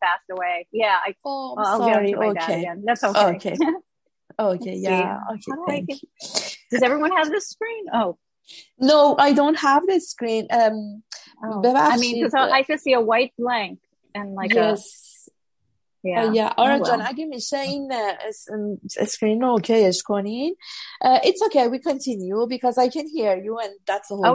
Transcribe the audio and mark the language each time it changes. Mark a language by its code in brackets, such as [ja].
[en] Passed away. Yeah. Sorry. Okay. That's okay. Okay. Okay. Yeah. Okay. Does everyone have the screen? Oh. No, I don't have the screen. I mean, so I just see a white blank and like yes. [fa] آرجان اگه میشه این اسکرین رو اوکیش کنین. [en] It's okay, we continue because I can hear you and that's the whole